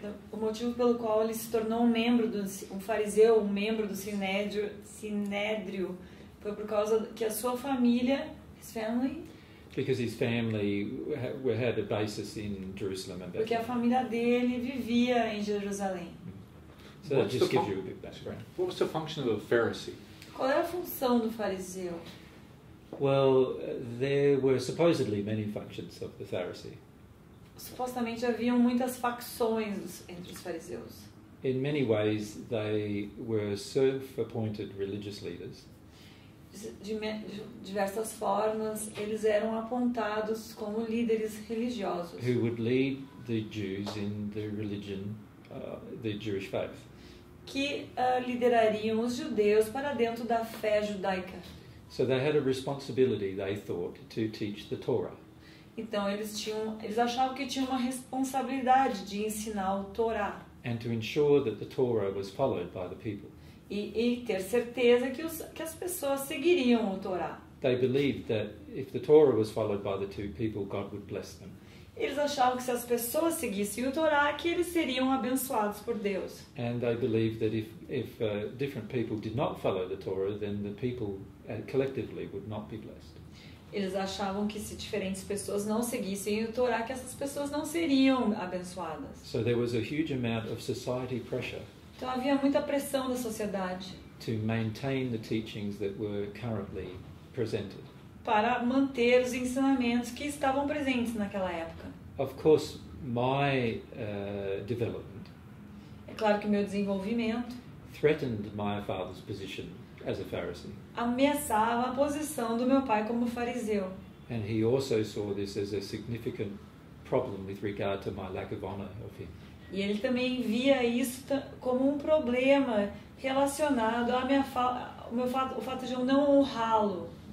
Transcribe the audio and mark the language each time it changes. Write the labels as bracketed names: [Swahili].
[Portuguese] O motivo pelo qual ele se tornou um membro do um fariseu, um membro do Sinédrio, foi por causa que a sua família, [English] his family, because his family had a basis in Jerusalem and [Portuguese] Bethlehem. Porque a família dele vivia em Jerusalém. [English] So that just gives you a bit background. What was the function of a Pharisee? [Portuguese] Qual era a função do fariseu? [English] Well, there were supposedly many functions of the Pharisee. [Portuguese] Supostamente haviam muitas facções entre os fariseus. [English] In many ways, they were self-appointed religious leaders. [Portuguese] De diversas formas, eles eram apontados como líderes religiosos. [English] Who would lead the Jews in the religion, the Jewish faith? [Portuguese] Que liderariam os judeus para dentro da fé judaica. [English] So they had a responsibility, they thought, to teach the Torah. [Portuguese] Então eles achavam que tinham uma responsabilidade de ensinar o Torá. [English] And to ensure that the Torah was followed by the people. [Portuguese] E ter certeza que as pessoas seguiriam o Torá. [English] They believed that if the Torah was followed by the two people, God would bless them. [Portuguese] Eles achavam que se as pessoas seguissem o Torá, que eles seriam abençoados por Deus. [English] And they believed that if different people did not follow the Torah, then the people collectively would not be blessed. [Portuguese] Eles achavam que se diferentes pessoas não seguissem o Torá, que essas pessoas não seriam abençoadas. [English] So there was a huge amount of society pressure. [Portuguese] Então havia muita pressão da sociedade. [English] To maintain the teachings that were currently presented. [Portuguese] Para manter os ensinamentos que estavam presentes naquela época. [English] Of course, my development. [Portuguese] É claro que meu desenvolvimento [English] threatened my father's position as a Pharisee. [Portuguese] Ameaçava a posição do meu pai como fariseu. [English] And he also saw this as a significant problem with regard to my lack of honor of him. [Portuguese] E ele também via isso como um problema relacionado à minha o fato de eu não honrá-lo.